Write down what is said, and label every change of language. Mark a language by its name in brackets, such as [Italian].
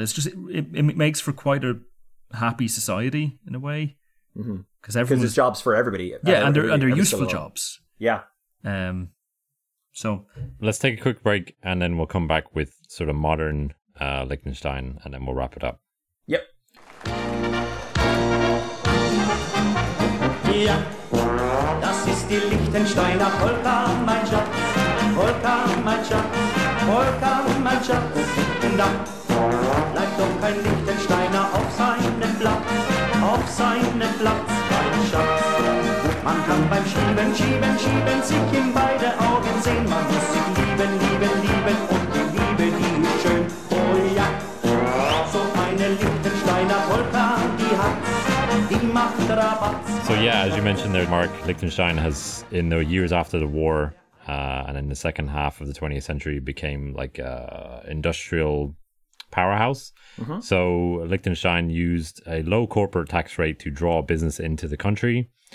[English] It's just, it makes for quite a happy society in a way. Because there's jobs for everybody. Yeah, and they're useful jobs. Yeah. So let's take a quick break and then we'll come back with sort of modern Liechtenstein and then we'll wrap it up. Yep. [German] Ja, das ist die Liechtensteiner Polka, mein Schatz. Polka, mein Schatz. Polka, mein Schatz. Da bleibt doch kein Liechtensteiner auf seinem Platz. Auf seinem Platz, mein Schatz. Man kann beim Schieben, Schieben, Schieben sich in beide Augen sehen. Man muss sich lieben, lieben, lieben und die Liebe, die ist schön. Oh ja, so eine Liechtensteiner Polka, die hat's, die macht Rabatz. [English] So yeah, as you mentioned there, Mark, Liechtenstein has, in the years after the war, and in the second half of the 20th century, became like an industrial powerhouse. Mm-hmm. So Liechtenstein used a low corporate tax rate to draw business into the country.